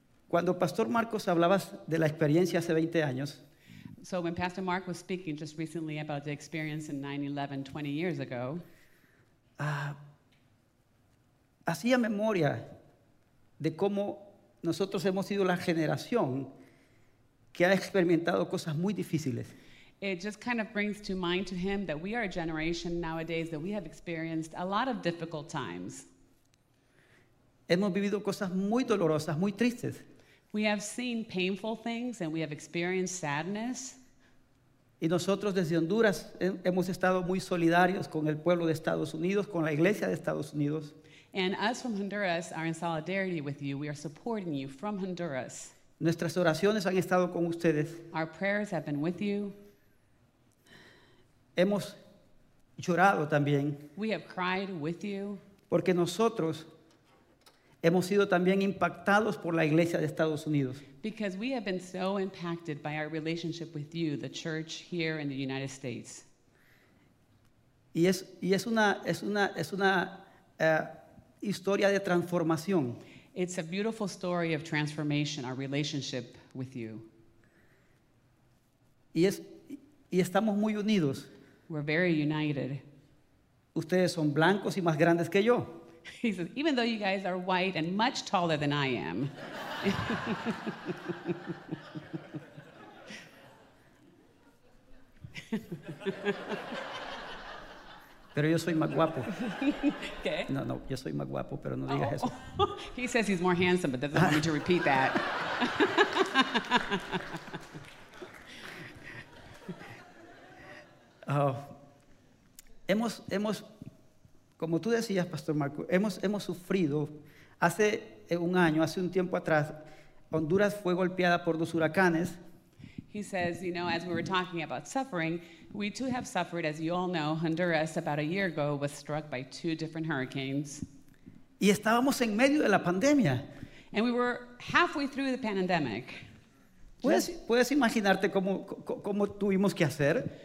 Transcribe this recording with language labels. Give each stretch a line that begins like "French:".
Spanish: Cuando Pastor Marcos hablabas de la experiencia hace 20 años.
English: So when Pastor Mark was speaking just recently about the experience in 9/11, 20 years ago.
Spanish: Hacía memoria de cómo nosotros hemos sido la generación que ha experimentado cosas muy difíciles.
English: It just kind of brings to mind to him that we are a generation nowadays that we have experienced a lot of difficult times.
Spanish: Hemos vivido cosas muy dolorosas, muy tristes.
English: We have seen painful things and we have experienced sadness.
Spanish: Y nosotros desde Honduras hemos estado muy solidarios con el pueblo de Estados Unidos, con la iglesia de Estados Unidos.
English: And us from Honduras are in solidarity with you. We are supporting you from Honduras.
Spanish: Nuestras oraciones han estado con ustedes.
English: Our prayers have been with you.
Spanish: Hemos llorado también.
English: We have cried with you.
Spanish: Porque nosotros Hemos sido también impactados por la iglesia de Estados Unidos.
English: Because we have been so impacted by our relationship with you, the church here in the United States.
Spanish: Historia de transformación.
English: It's a beautiful story of transformation, our relationship with you.
Spanish: Y estamos muy unidos.
English: We're very united.
Spanish: Ustedes son blancos y más grandes que yo.
English: He says, even though you guys are white and much taller than I am.
Spanish: Pero yo soy más guapo. ¿Qué? No, no, yo soy más guapo, pero no digas eso.
English: He says he's more handsome, but doesn't want me to repeat that.
Spanish: Hemos como tú decías, Pastor Marco, hemos sufrido hace un tiempo atrás, Honduras fue golpeada por dos huracanes.
English: He says, you know, as we were talking about suffering, we too have suffered, as you all know, Honduras about a year ago was struck by two different hurricanes.
Spanish: Y estábamos en medio de la pandemia.
English: And we were halfway through the pandemic.
Spanish: ¿Puedes imaginarte cómo tuvimos que hacer?